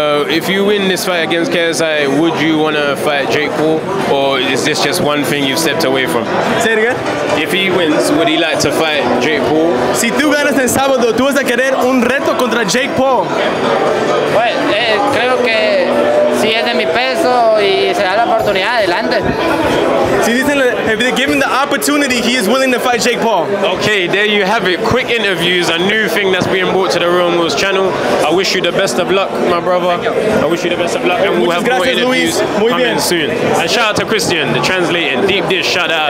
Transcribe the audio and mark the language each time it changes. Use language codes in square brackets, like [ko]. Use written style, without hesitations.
[en] If you win this fight against KSI, would you want to fight Jake Paul, or is this just one thing you've stepped away from? Say it again. If he wins, would he like to fight Jake Paul? [es] Si tú ganas el sábado, tú vas a querer un reto contra Jake Paul. Bueno, creo que si es de mi peso y se da la oportunidad, adelante. Si dicen, [en] if they give him the opportunity, he is willing to fight Jake Paul. Okay, there you have it. Quick interviews, a new thing that's being brought to the Real Wolves channel. I wish you the best of luck, my brother. I wish you the best of luck. And we'll have more interviews coming soon. And shout out to Christian, the translating. Deep dish, shout out.